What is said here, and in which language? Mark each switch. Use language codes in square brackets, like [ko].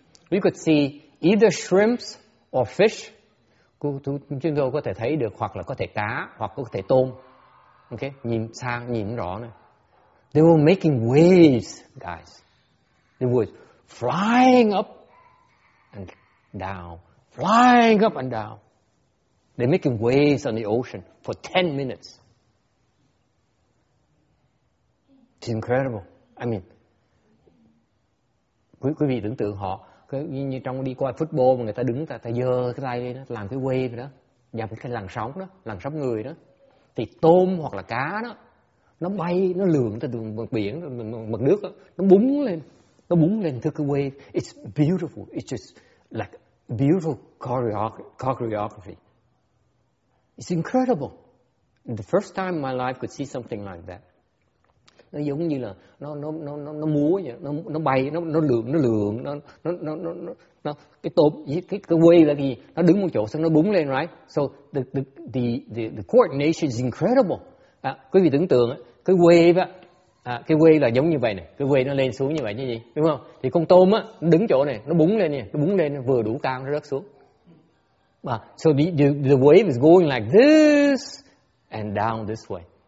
[en] We could see either shrimps or fish. [vi] Chúng tôi có thể thấy được hoặc là có thể cá hoặc có thể tôm. Okay, nhìn xa, nhìn rõ này. [en] They were making waves, guys. They were flying up and down. Flying up and down. They're making waves on the ocean for 10 minutes. It's incredible. I mean, [vi] quý vị tưởng tượng họ, như trong đi coi football mà người ta đứng, ta dơ cái tay đi, làm cái wave đó, dập cái làn sóng đó, làn sóng người đó. Thì tôm hoặc là cá đó, nó bay, nó lượn từ đường mặt biển, mặt nước đó, nó búng lên thứ cái wave. [en] It's beautiful. It's just like beautiful choreography. It's incredible. The first time in my life could see something like that. [vi] Nó giống như là nó múa vậy, nó bay, nó lượn, nó cái tôm, cái wave là gì? Nó đứng một chỗ xong nó búng lên, right? [en] So the coordination is incredible. [vi] À, quý vị tưởng tượng cái wave á, cái wave là giống như vậy này, cái wave nó lên xuống như vậy như gì, đúng không? Thì con tôm á nó đứng chỗ này, nó búng lên nè, nó búng lên vừa đủ cao nó rớt xuống. [en] So the wave is going like this and down this way.